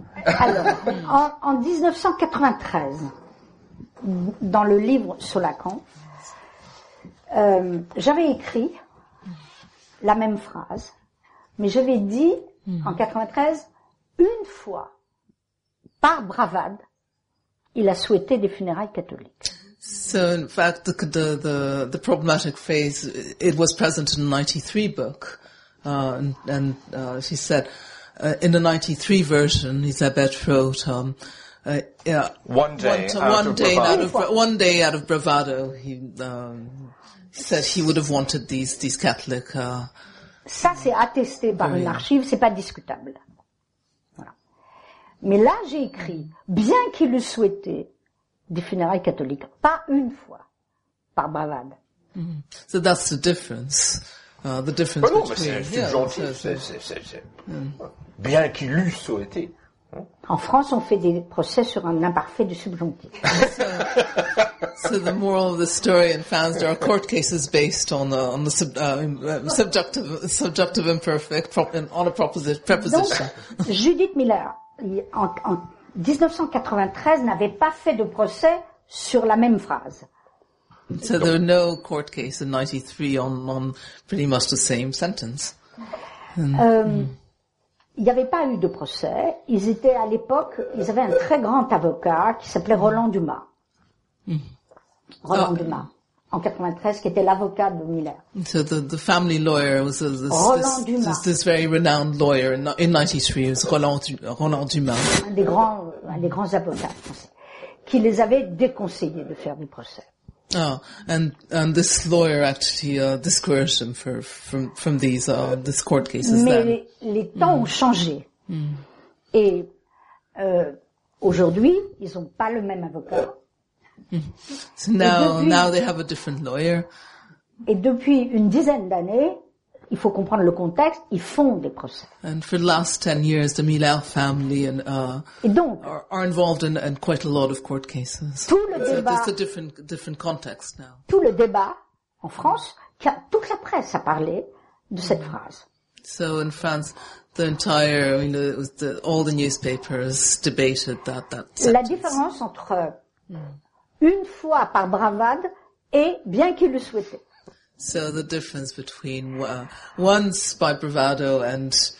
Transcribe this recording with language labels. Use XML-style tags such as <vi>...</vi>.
<fr>Alors, en 1993, dans le livre sur Lacan, j'avais écrit la même phrase, mais j'avais dit en 93, une fois, par bravade, il a souhaité des funérailles catholiques.</fr> <en>So in fact, the problematic phrase, it was present in the 93 book. She said, in the 93 version, Isabelle wrote, one day out of bravado, he said he would have wanted these Catholic,</en> <fr>Ça, c'est attesté par une archive, c'est pas discutable. Voilà. Mais là, j'ai écrit, bien qu'il eût souhaité des funérailles catholiques, pas une fois, par bravade.</fr> <en>So that's the difference. The difference</en> <fr>Mais non, mais c'est gentil. C'est. Bien qu'il eût souhaité. En France, on fait des procès sur un imparfait du subjonctif.</fr> <en>So the moral of the story in France, there are court cases based on the subjective imperfect on a preposition.</en> <fr>Donc, Judith Miller, en 1993, n'avait pas fait de procès sur la même phrase.</fr> <en>So there were no court cases in 93 on pretty much the same sentence.</en> <fr>Il n'y avait pas eu de procès. Ils étaient à l'époque, ils avaient un très grand avocat qui s'appelait Roland Dumas. Roland Dumas, en 93, qui était l'avocat de Miller.</fr> <en>So the family lawyer was this very renowned lawyer in 93, it was Roland Dumas.</en> <fr>Un des grands avocats français, qui les avait déconseillés de faire du procès.</fr> <en>Oh, and this lawyer actually discouraged them from these this court cases.</en> <fr>Mais</fr> <en>then.</en> <fr>Les temps ont changé. Et aujourd'hui, ils ont pas le même avocat.</fr> <en>So now they have a different lawyer.</en> <fr>Et depuis une dizaine d'années, il faut comprendre le contexte, ils font des procès.</fr> <en>And for the last 10 years, the Miller family and are involved in quite a lot of court cases.</en> <fr>Tout le débat.</fr> <en>It's a different context now.</en> <fr>Tout le débat en France, toute la presse a parlé de cette phrase.</fr> <en>So in France, the entire, all the newspapers debated that sentence.</en> <fr>La différence entre une fois par bravade et bien qu'il le souhaitait.</fr> <en>So the difference between once by bravado and</en>